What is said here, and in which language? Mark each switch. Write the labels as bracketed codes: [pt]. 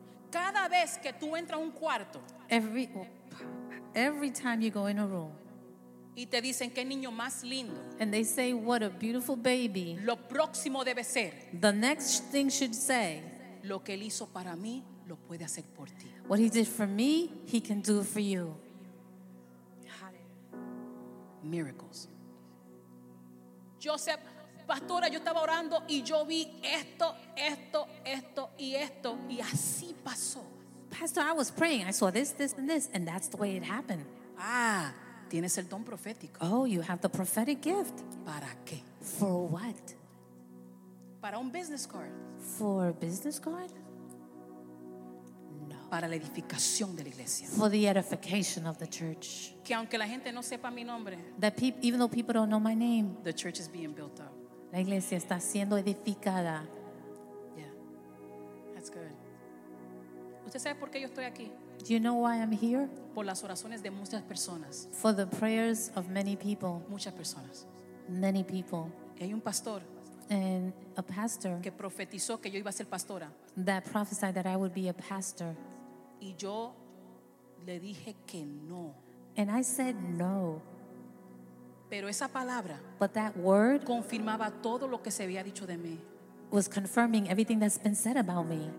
[es] Cada vez que tú entras un cuarto, [en] every time you go in a room, [es] y te dicen qué niño más lindo, [en] and they say what a beautiful baby, [es] lo próximo debe ser, [en] the next thing should say, [es] lo que él hizo para mí lo puede hacer por ti. [en] What he did for me, he can do for you. Miracles. [es] Joseph, pastora, yo estaba orando y yo vi esto, esto, esto y esto, y así pasó. [en] Pastor, I was praying, I saw this, this, and this, and that's the way it happened. [es] Ah, tienes el don profético. [en] Oh, you have the prophetic gift. [es] ¿Para qué? [en] For what? [es] Para un business card. [en] For a business card? [es] Para la edificación de la iglesia. [en] For the edification of the church. [es] Que aunque la gente no sepa mi nombre, [en] that even though people don't know my name, the church is being built up. [es] La iglesia está siendo edificada. [en] Yeah, that's good. [es] ¿Usted sabe por qué yo estoy aquí? [en] Do you know why I'm here? [es] Por las oraciones de muchas personas. [en] For the prayers of many people. [es] Muchas personas. [en] Many people. [es] Hay un pastor. [en] And a pastor. [es] Que profetizó que yo iba a ser pastora. [en] That prophesied that I would be a pastor. [es] Y yo le dije que no. [en] And I said no. [es] Pero esa palabra, [en] but that word, [es] confirmaba todo lo que se había dicho de mí. [en] Was confirming everything that's been said about me.